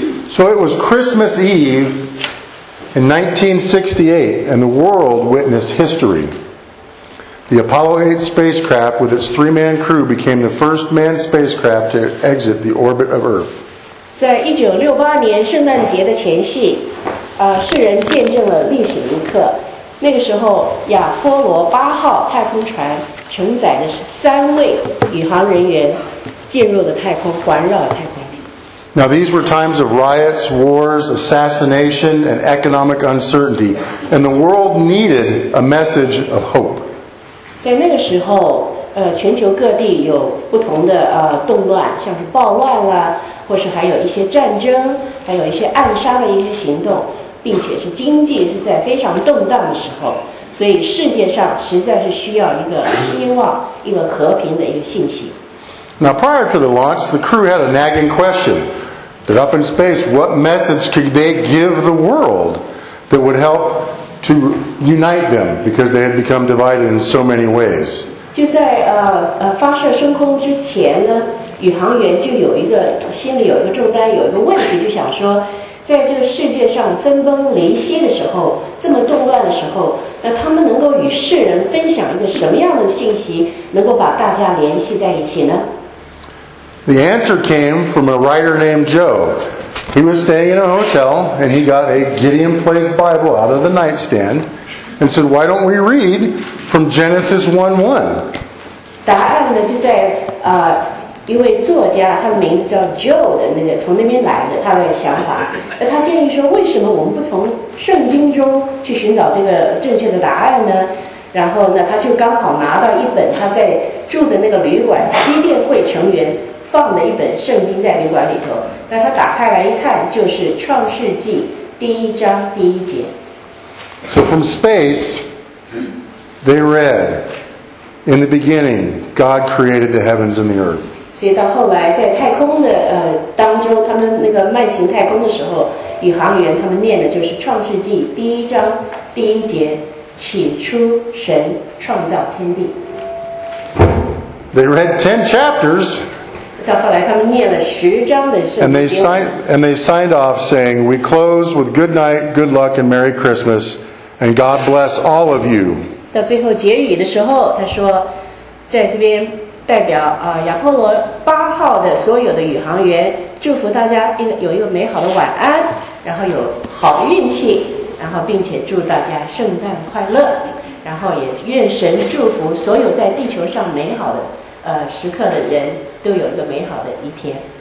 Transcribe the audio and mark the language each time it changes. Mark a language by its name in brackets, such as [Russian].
[English] So it was Christmas Eve in 1968, and the world witnessed history. The Apollo 8 spacecraft with its 3-man crew became the first manned spacecraft to exit the orbit of Earth. [Chinese] 在1968年圣诞节的前夕，世人见证了历史一刻。那个时候，亚波罗8号太空船承载的3位宇航人员进入了太空，环绕了太空。 [English] Now these were times of riots, wars, assassination, and economic uncertainty, and the world needed a message of hope. [Chinese] 在那个时候，全球各地有不同的动乱，像是暴乱啊，或是还有一些战争，还有一些暗杀的一些行动，并且是经济是在非常动荡的时候，所以世界上实在是需要一个希望，一个和平的一个信息。 [English] Now prior to the launch, the crew had a nagging question that up in space, what message could they give the world that would help to unite them because they had become divided in so many ways? [Chinese] 就在发射升空之前呢，宇航员就有一个心里有一个重担，有一个问题，就想说，在这个世界上分崩离析的时候，这么动乱的时候，那他们能够与世人分享一个什么样的信息，能够把大家联系在一起呢？ [English] The answer came from a writer named Joe. He was staying in a hotel and he got a Gideon Place Bible out of the nightstand and said, why don't we read from Genesis 1:1? [Chinese] 答案呢就在一位作家，他的名字叫 Joe 的那个从那边来的，他的想法，他建议说，为什么我们不从圣经中去寻找这个正确的答案呢？然后呢，他就刚好拿到一本他在住的那个旅馆机电会成员放的一本圣经在旅馆里头，那他打开来一看，就是创世纪第一章第一节。 [English] So from space, they read, in the beginning, God created the heavens and the earth. [Chinese] 所以到后来在太空的当中，他们那个慢行太空的时候，宇航员他们念的就是创世纪第一章第一节，起初神创造天地。 [English] They read 10 chapters. [Chinese] 到后来他们念了十章的圣经。 [English] And they signed off saying, we close with good night, good luck, and Merry Christmas, and God bless all of you. [Chinese] 到最后结语的时候，他说在这边代表亚波罗八号的所有的宇航员，祝福大家有一个美好的晚安，然后有好运气，然后并且祝大家圣诞快乐，然后也愿神祝福所有在地球上美好的时刻的人都有一个美好的一天。